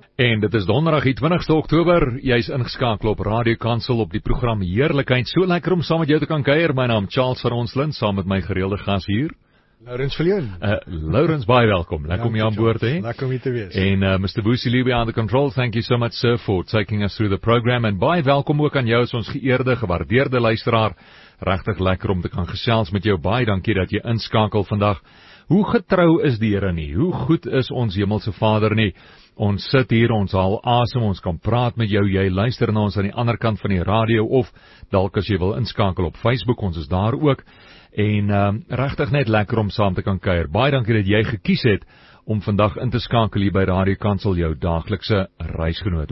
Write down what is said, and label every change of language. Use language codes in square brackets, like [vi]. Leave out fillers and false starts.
[af] En dit is donderdag die 20ste Oktober, jy is ingeskakel op Radio Kansel op die program Heerlikheid. So lekker om saam met jou te kan kuier, my naam Charles van Onslin, saam met my gereelde gas hier. Laurens Verleen. Laurens, baie welkom. Lekker om jou aan boord te hê. Lekker om hier te wees. En Mr. [en] Boosie Lee behind the controls, thank you so much sir for taking us through the program. [af] En baie welkom ook aan jou as ons geëerde, gewaardeerde luisteraar. Regtig lekker om te kan gesels met jou. Baie dankie dat jy inskakel vandag. Hoe getrou is die Here nie? Hoe goed is ons hemelse Vader nie? Ons sit hier, ons haal asem, ons kan praat met jou, jy luister na ons aan die ander kant van die radio of dalk as jy wil inskakel op Facebook, ons is daar ook. En regtig net lekker om saam te kan kuier. Baie dankie dat jy gekies het om vandag in te skakel hier by Radio Kansel, jou daaglikse reisgenoot.